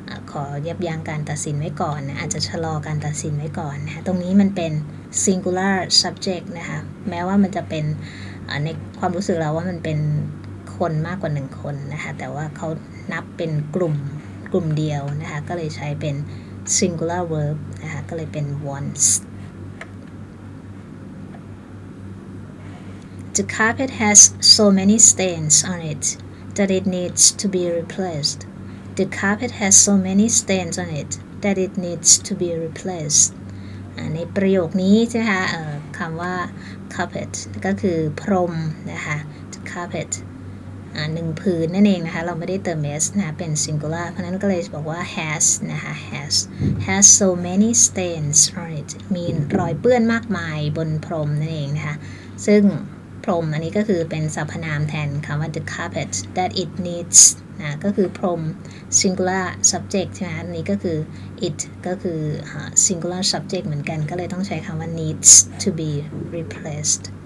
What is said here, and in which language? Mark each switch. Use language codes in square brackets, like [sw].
[th] ขอยับยั้งการตัดสินไว้ก่อนนะอาจจะชะลอการตัดสินไว้ก่อนนะตรงนี้มันเป็น singular subject นะคะแม้ว่ามันจะเป็นในความรู้สึกเราว่ามันเป็นคนมากกว่า1คนนะคะแต่ว่าเขานับเป็นกลุ่มเดียวนะคะก็เลยใช้เป็น singular verb นะคะก็เลยเป็น wants [en] The carpet has so many stains on it that it needs to be replaced. The carpet has so many stains on it that it needs to be replaced. [th] ในประโยคนี้นะคะคำว่า carpet ก็คือพรมนะคะ The carpet1พื้นนั่นเองนะคะเราไม่ได้เติม s นะเป็น singular เพราะนั้นก็เลยบอกว่า has นะคะ [en] has so many stains on it [th] มีรอยเปื้อนมากมายบนพรมนั่นเองนะคะซึ่งพรมอันนี้ก็คือเป็นสรรพนามแทนคำว่า the carpet [en] that it needs [th] นะก็คือพรม singular subject ใช่ไหมอันนี้ก็คือ it ก็คือ singular subject เหมือนกันก็เลยต้องใช้คำว่า [en] needs to be replaced